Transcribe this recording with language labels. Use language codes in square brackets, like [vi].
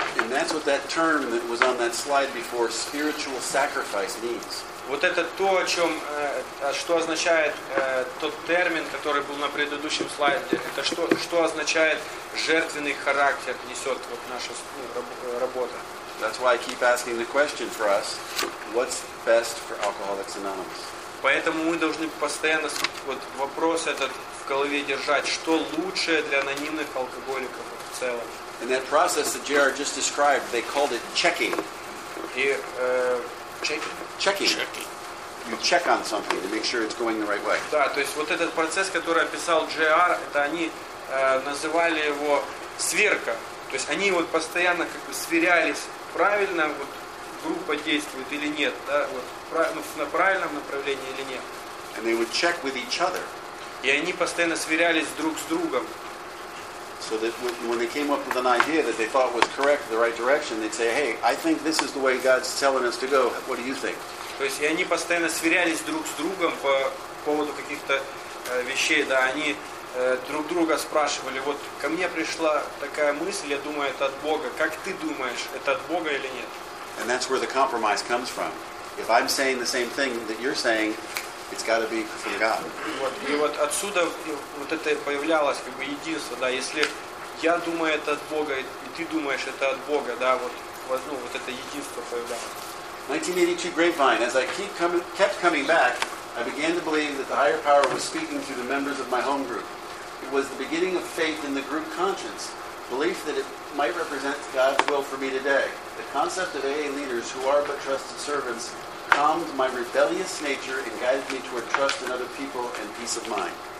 [en] And that's what that term that was on that slide before, spiritual sacrifice, means. [ru] Вот это то, о чем, что означает тот термин, который был на предыдущем слайде. Это что, что означает жертвенный характер несет вот наша работа. [en] That's why I keep asking the question for us: what's best for Alcoholics Anonymous? [ru] Поэтому мы должны постоянно вот вопрос этот в голове держать: что лучшее для анонимных алкоголиков в целом? [en] In that process that JR just described, they called it checking. [ru] И [en] checking. You check on something to make sure it's going the right way. [ru] Да, то есть вот этот процесс, который описал JR, это они называли его сверка. То есть они вот постоянно как бы сверялись, правильно вот группа действует или нет, да, вот на правильном направлении или нет. [en] And they would check with each other. [ru] И они постоянно сверялись друг с другом. [en] So that when they came up with an idea that they thought was correct, the right direction, they'd say, "Hey, I think this is the way God's telling us to go. What do you think?" [ru] То есть, и они постоянно сверялись друг с другом по поводу каких-то вещей. Да, они друг друга спрашивали. Вот ко мне пришла такая мысль. Я думаю, это от Бога. Как ты думаешь, это от Бога или нет? [en] And that's where the compromise comes from. If I'm saying the same thing that you're saying, it's got to be from God. [ru] Вот, и вот отсюда вот это появлялось как бы единство, да, если я думаю это от Бога, и ты думаешь это от Бога, да, вот это единство появлялось. [en] 1982 Grapevine, as I kept coming back, I began to believe that the higher power was speaking through the members of my home group. It was the beginning of faith in the group conscience, belief that it might represent God's will for me today. The concept of AA leaders who are but trusted servants calmed my rebellious nature and guided me toward trust in other people and peace of mind.